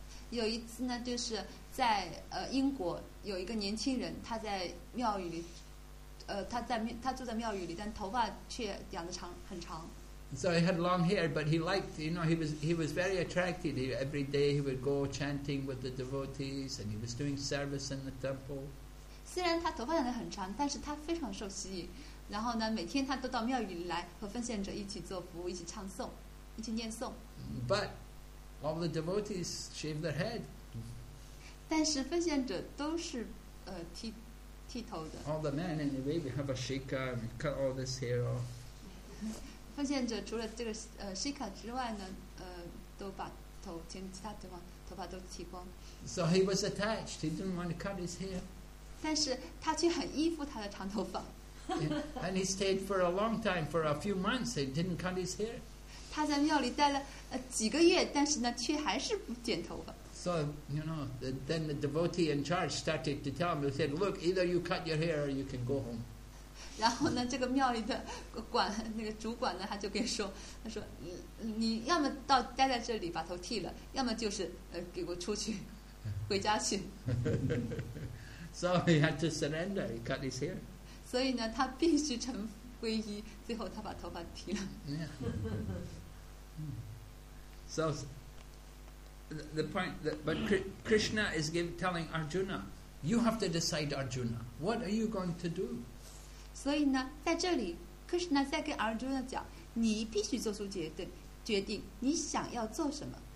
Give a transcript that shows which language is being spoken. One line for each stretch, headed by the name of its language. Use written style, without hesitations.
Chinese: 有一次呢就是在英国有一个年轻人他在庙宇里他住在庙宇里但头发却养得长很长。
English: So he had long hair, but he liked, you know, he was very attracted. Every day he would go chanting with the devotees and he was doing service in the temple.
Chinese: 虽然他头发养得很长但是他非常受吸引。然后呢，每天他都到庙宇里来和奉献者一起做服务，一起唱诵，一起念诵。
English: But all the devotees shave their head.
Chinese: 但是奉献者都是剃头的。
English: All the men anyway, we have a shika and we cut all this hair off.
Chinese: 奉献者除了这个shika之外呢，都把头其他地方头发都剃光。
English: So he was attached. He didn't want to cut his hair.
Chinese: 但是他却很依附他的长头发。
English: And he stayed for a long time, for a few months. He didn't cut his hair.
Chinese: 他在庙里待了几个月，但是呢，却还是不剪头发。
English: So you know, then the devotee in charge started to tell him. He said, "Look, either you cut your hair, or you can go home."
Chinese: 然后呢，这个庙里的管那个主管呢，他就给说，他说你要么到待在这里把头剃了，要么就是给我出去，回家去。
English: So he had to surrender. He cut his hair.
Chinese: 所以呢，他必须臣服皈依。最后，他把头发剃了。
English: Yeah. So the point that but Krishna is telling Arjuna, you have to decide, Arjuna. What are you going to do?
Chinese: 所以呢，在这里 ，Krishna 在跟 Arjuna 讲，你必须做出决定，你想要做什么。